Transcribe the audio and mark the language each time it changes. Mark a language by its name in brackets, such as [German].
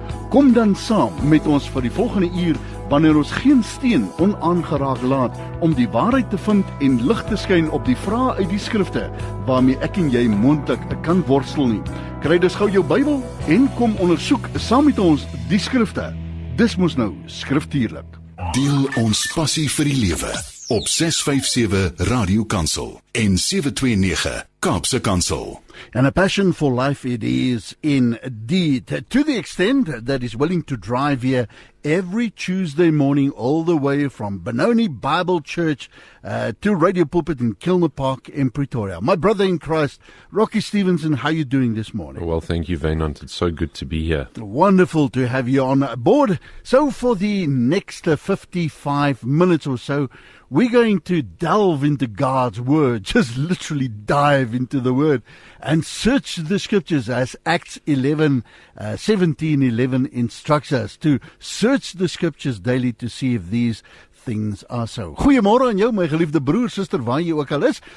[Afrikaans] Kom dan saam met ons vir die volgende uur, wanneer ons geen steen onaangeraak laat, om die waarheid te vind en lig te skyn op die vrae uit die skrifte, waarmee ek en jy moontlik kan worstel nie. Kry dus gou jou Bybel en kom ondersoek saam met ons die skrifte. Dis mos nou skriftuurlik. Deel ons passie vir die lewe op 657 Radio Kansel en 729 Kaapse Kansel. [English] And a passion for life it is indeed, to the extent that is willing to drive here every Tuesday morning all the way from Benoni Bible Church to Radio Pulpit in Kilner Park in Pretoria. My brother in Christ, Rocky Stevenson, how are you doing this morning? Well, thank you, Vaynant. It's so good to be here. Wonderful to have you on board. So for the next 55 minutes or so, we're going to delve into God's Word, just literally dive into the Word and search the Scriptures as Acts 17:11 instructs us to search the Scriptures daily to see if these things are so. [Afrikaans] Goeiemôre aan jou, my geliefde broer, sister, waar jy ook al is.